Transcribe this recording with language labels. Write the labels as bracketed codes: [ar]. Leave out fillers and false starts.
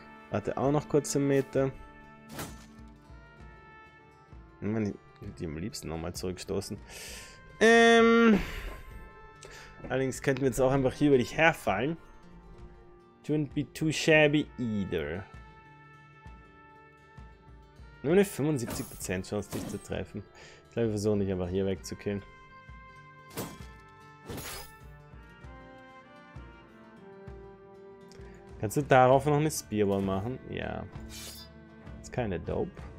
[de] Warte auch noch kurz einen Meter. Ich meine, ich würde die am liebsten nochmal zurückstoßen. Allerdings könnten wir jetzt auch einfach hier über dich herfallen. [en] Don't be too shabby either. [de] Nur eine 75% Chance, dich zu treffen. Ich glaube, wir versuchen dich einfach hier wegzukillen. Kannst du darauf noch eine Spearball machen? Ja. Ist keine Dope.